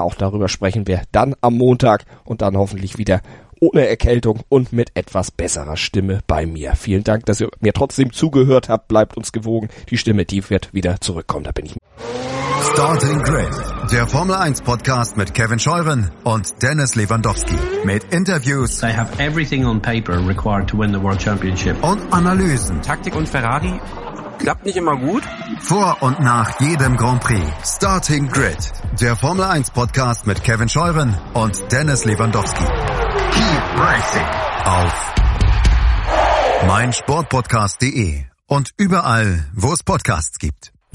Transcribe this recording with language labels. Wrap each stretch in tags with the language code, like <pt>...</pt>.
<de>Auch darüber sprechen wir dann am Montag und dann hoffentlich wieder ohne Erkältung und mit etwas besserer Stimme bei mir. Vielen Dank, dass ihr mir trotzdem zugehört habt. Bleibt uns gewogen. Die Stimme, die wird wieder zurückkommen. Da bin ich. Starting Grid, der Formel 1 Podcast mit Kevin Scheuren und Dennis Lewandowski. Mit Interviews.</de> <en>They have everything on paper required to win the World Championship.</en> <de>Und Analysen. Taktik und Ferrari. Klappt nicht immer gut. Vor und nach jedem Grand Prix. Starting Grid, der Formel 1 Podcast mit Kevin Scheuren und Dennis Lewandowski.</de> <en>Keep racing.</en> <de>Auf meinsportpodcast.de und überall, wo es Podcasts gibt.</de>